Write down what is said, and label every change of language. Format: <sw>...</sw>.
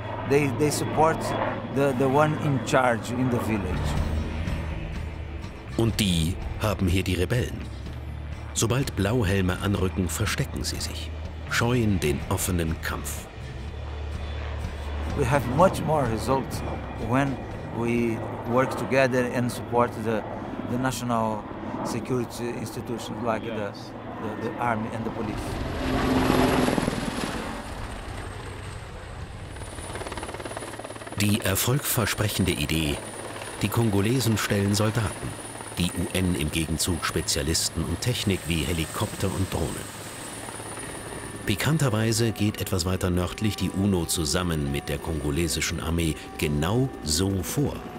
<en>They support the one in charge in the village.</en> <de>Und die haben hier die Rebellen. Sobald Blauhelme anrücken, verstecken sie sich, scheuen den offenen Kampf.</de> <en>We have much more results when we work together and support the national security institutions like the army and the police.</en> <de>Die erfolgversprechende Idee: Die Kongolesen stellen Soldaten, die UN im Gegenzug Spezialisten und Technik wie Helikopter und Drohnen. Pikanterweise geht etwas weiter nördlich die UNO zusammen mit der kongolesischen Armee genau so vor.</de>